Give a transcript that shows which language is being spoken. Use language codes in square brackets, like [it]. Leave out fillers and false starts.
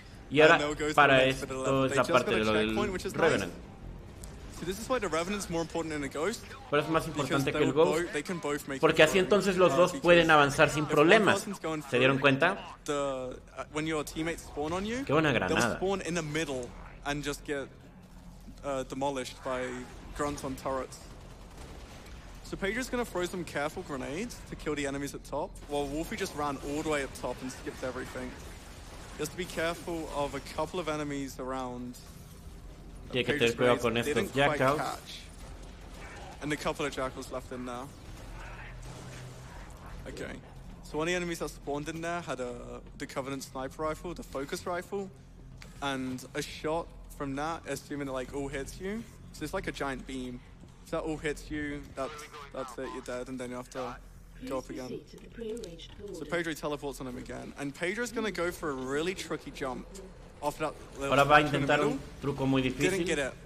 [es] Y ahora para esto es la parte de lo del Revenant. [en] So this is why the Revenant's more important than a Ghost. [es] Pero es más importante que el Ghost. [en] They can both make. [es] Porque así entonces los dos pueden avanzar sin problemas. ¿Se dieron cuenta? [en] When your teammates spawn on you. [es] Qué buena granada. [en] They'll spawn in the middle and just get demolished by grunts on turrets. So Pedro's gonna throw some careful grenades to kill the enemies at top, while Wolfie just ran all the way up top and skipped everything. He has to be careful of a couple of enemies around. [es] Tiene que tener cuidado con estos jackals. [en] And a couple of jackals left in there. Okay. So one of the enemies that spawned in there had the Covenant sniper rifle, the focus rifle, and a shot from that, assuming it like all hits you. So it's like a giant beam. If that all hits you, that's it, you're dead, and then you have to go up again. So Pedro teleports on him again. And Pedro's gonna go for a really tricky jump. [es] Ahora va a intentar un truco muy difícil.